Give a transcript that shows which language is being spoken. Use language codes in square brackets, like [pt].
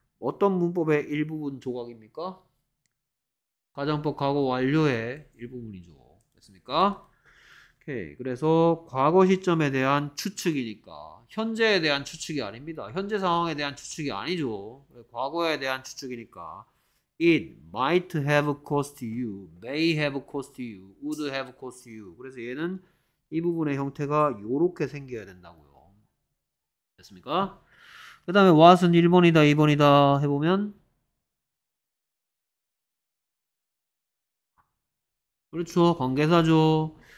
[ko] 어떤 문법의 일부분 조각입니까? 가정법 과거 완료의 일부분이죠. 됐습니까? 오케이. 그래서 과거 시점에 대한 추측이니까 현재에 대한 추측이 아닙니다. 현재 상황에 대한 추측이 아니죠. 과거에 대한 추측이니까 [en] It might have cost you, may have cost you, would have cost you. [ko] 그래서 얘는 이 부분의 형태가 요렇게 생겨야 된다고요. 됐습니까? 그 다음에 what은 1번이다, 2번이다 해보면 그렇죠. 관계사죠.